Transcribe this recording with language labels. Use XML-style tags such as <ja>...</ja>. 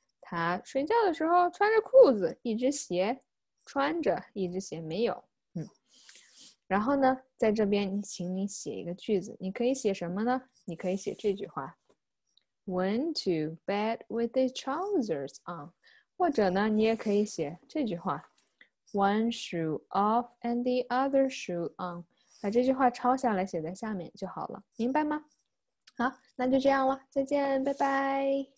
<zh>他睡觉的时候穿着裤子，一只鞋穿着，一只鞋没有。然后呢，在这边请你写一个句子，你可以写什么呢？你可以写这句话。</zh> <en>Went to bed with his trousers on.</en> <zh>或者呢，你也可以写这句话。</zh> <en>One shoe off and the other shoe on.</en> <zh>把这句话抄下来写在下面就好了。明白吗？好，那就这样了。再见，拜拜。</zh>